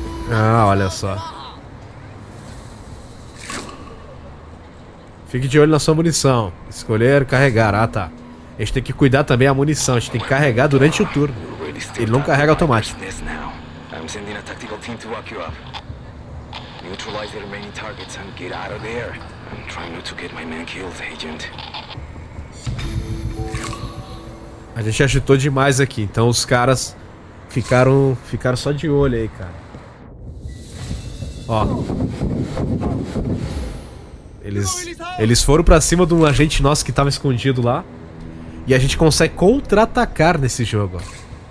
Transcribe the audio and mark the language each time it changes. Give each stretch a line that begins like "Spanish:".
Portuguese: Ah, olha só. Fique de olho na sua munição. Escolher carregar. Ah, tá. A gente tem que cuidar também da munição. A gente tem que carregar durante o turno. Ele não carrega automático.
English: I'm sending a tactical team to walk you up. Neutralize the remaining targets and get out of there. I'm trying not to get my man killed, agent.
Portuguese: A gente agitou demais aqui, então os caras ficaram só de olho aí, cara. Ó. Eles foram pra cima de um agente nosso que tava escondido lá. E a gente consegue contra-atacar nesse jogo, ó.